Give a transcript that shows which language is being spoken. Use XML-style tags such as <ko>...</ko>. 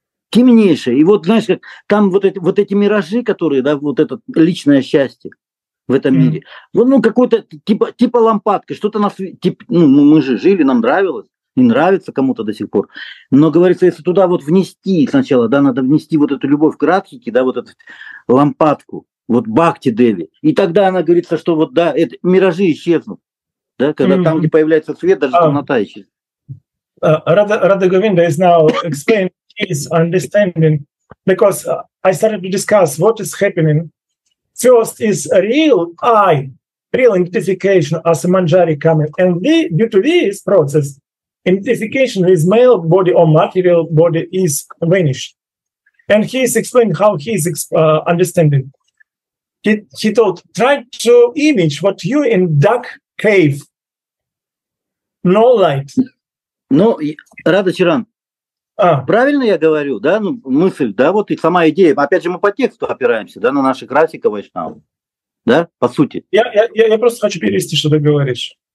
<ru>темнейшая, и вот знаешь, как там вот эти миражи, которые, да, вот это личное счастье в этом мире, ну какой-то типа лампадка, что-то нас, мы же жили, нам нравилось, и нравится кому-то до сих пор. Но, говорится, если туда вот внести сначала, да, надо внести вот эту любовь к Радхике, да, вот эту лампадку, вот Бхакти Деви, и тогда она говорится, что вот, да, это, миражи исчезнут, да, когда там, где появляется свет, даже темнота исчезнет.</ru> <en>Rada Govinda is now explaining his understanding, because I started to discuss what is happening. First is real identification as a manjari coming, and due to this process, identification with male body or material body is vanished. And he is explaining how he is understanding. He told, try to image what you in dark cave. No light.</en> <ru>Ну, Рада Чаран, правильно я говорю, да? Ну, мысль, да, вот и сама идея. Опять же, мы по тексту опираемся, да, на наши графики вайшнавы. Да, по сути. Я просто хочу перевести, что ты говоришь.</ru>